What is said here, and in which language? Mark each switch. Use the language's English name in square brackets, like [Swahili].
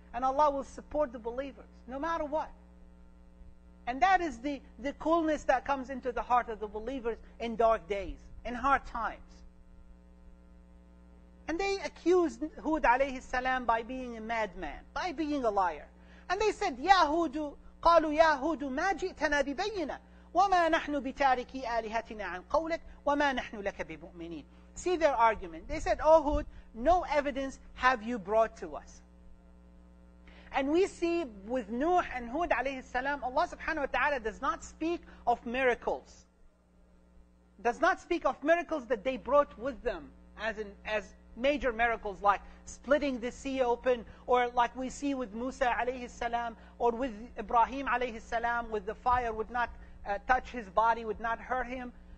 [English] And Allah will support the believers, no matter what. And that is the coolness that comes into the heart of the believers in dark days, in hard times. And they accused Hud alayhi salam by being a madman, by being a liar. And they said, [Arabic] Ya Hud, قالوا يا هود ما جئتنا ببينة وما نحن بتاركي آلهتنا عن قولك وما نحن لك بمؤمنين. [English] See their argument. They said, Oh Hud, no evidence have you brought to us. And we see with Nuh and Hud alayhi salam, Allah subhanahu wa ta'ala does not speak of miracles. Does not speak of miracles that they brought with them as major miracles like splitting the sea open, or like we see with Musa alayhi salam, or with Ibrahim alayhi salam, with the fire would not touch his body, would not hurt him.